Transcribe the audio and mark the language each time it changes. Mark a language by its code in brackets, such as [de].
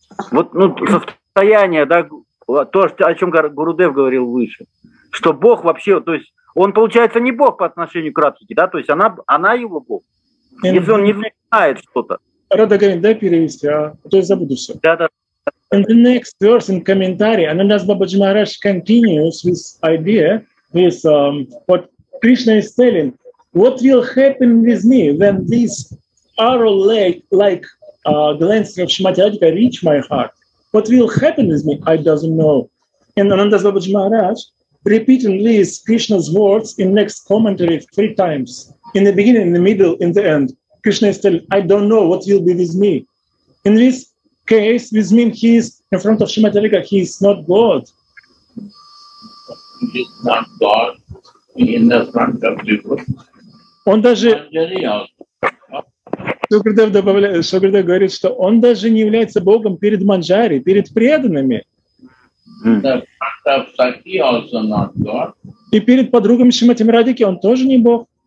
[ru] Вот, ну, состояние, да, то, о чем Гурудев говорил выше, что Бог вообще, то есть он, получается, не Бог по отношению к Радхике, да, то есть она его Бог, and если он не знает что-то. Радхагавин, дай перевести, а то я забуду все. Да-да. [en] In the next verse in commentary, Ananda's Babaji Maharaj continues with idea, with what Krishna is telling, what will happen with me when this arrow like glance of Shrimati Radhika reach my heart. What will happen with me? I don't know. And Ananda's Babaji Maharaj repeating these Krishna's words in next commentary three times. In the beginning, in the middle, in the end. Krishna is telling, I don't know what will be with me. In this case, this means he is in front of Shrimati Radhika, he is not God. He is not God in the front of people. [ru] Он даже... Шукрадев добавляет, Шукрадев говорит, что он даже не является Богом перед Манджари, перед преданными. И перед подругами Шримати Радхики он тоже не Бог.